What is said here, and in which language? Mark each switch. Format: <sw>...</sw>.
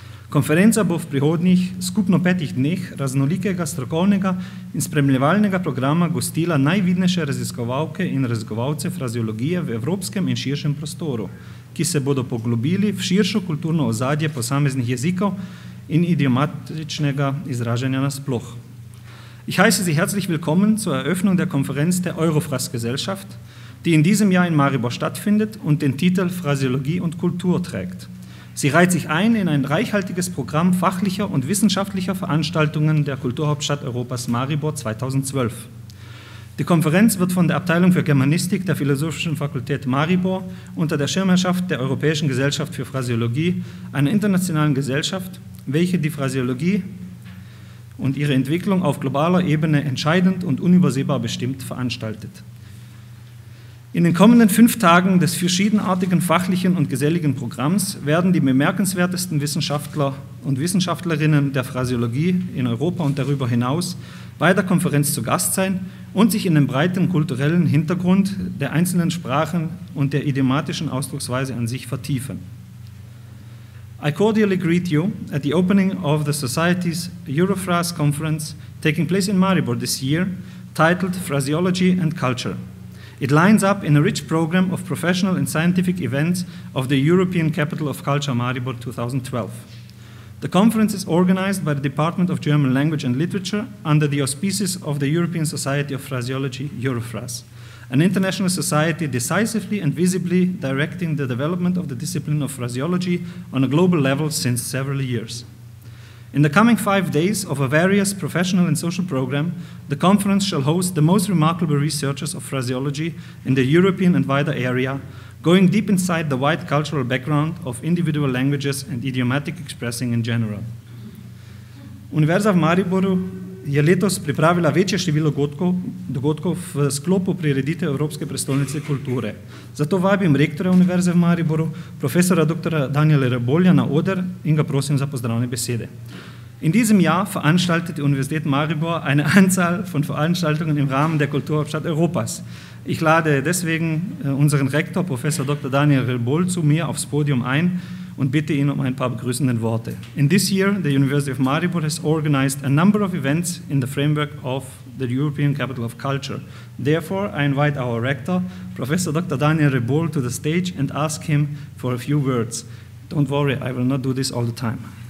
<sl>Konferenca bo v prihodnjih skupno petih dneh raznolikega, strokovnega in spremljevalnega programa gostila najvidnejše raziskovalke in raziskovalce frazeologije v evropskem in širšem prostoru, ki se bodo poglobili v širšo kulturno ozadje posameznih jezikov in idiomatičnega izražanja nasploh.</sl> <de>Ich heiße Sie herzlich willkommen zur Eröffnung der Konferenz der Eurofraz-Gesellschaft, die in diesem Jahr in Maribor stattfindet und den Titel Phraseologie und Kultur trägt. Sie reiht sich ein in ein reichhaltiges Programm fachlicher und wissenschaftlicher Veranstaltungen der Kulturhauptstadt Europas Maribor 2012. Die Konferenz wird von der Abteilung für Germanistik der Philosophischen Fakultät Maribor unter der Schirmherrschaft der Europäischen Gesellschaft für Phraseologie, einer internationalen Gesellschaft, welche die Phraseologie und ihre Entwicklung auf globaler Ebene entscheidend und unübersehbar bestimmt, veranstaltet. In den kommenden fünf Tagen des verschiedenartigen fachlichen und geselligen Programms werden die bemerkenswertesten Wissenschaftler und Wissenschaftlerinnen der Phraseologie in Europa und darüber hinaus bei der Konferenz zu Gast sein und sich in dem breiten kulturellen Hintergrund der einzelnen Sprachen und der idiomatischen Ausdrucksweise an sich vertiefen.</de> <en>I cordially greet you at the opening of the Society's Eurofraz Conference taking place in Maribor this year, titled Phraseology and Culture. It lines up in a rich program of professional and scientific events of the European Capital of Culture Maribor 2012. The conference is organized by the Department of German Language and Literature under the auspices of the European Society of Phraseology, Eurofraz, an international society decisively and visibly directing the development of the discipline of phraseology on a global level since several years. In the coming 5 days of a various professional and social program, the conference shall host the most remarkable researchers of phraseology in the European and wider area, going deep inside the wide cultural background of individual languages and idiomatic expressing in general.</en> <sl>Univerza v Mariboru je letos pripravila večje število dogodkov v sklopu prireditev Evropske prestolnice kulture. Zato vabim rektora Univerze v Mariboru, profesora dr. Danijela Rebolja na oder in ga prosim za pozdravne besede.</sl> <de>In diesem Jahr veranstaltet die Universität Maribor eine Anzahl von Veranstaltungen im Rahmen der Kulturhauptstadt Europas. Ich lade deswegen unseren Rektor, Professor Dr. Danijel Rebolj, zu mir aufs Podium ein und bitte ihn um ein paar begrüßende Worte.</de> <en>In this year, the University of Maribor has organized a number of events in the framework of the European Capital of Culture. Therefore, I invite our Rector, Professor Dr. Danijel Rebolj, to the stage and ask him for a few words. Don't worry, I will not do this all the time.</en>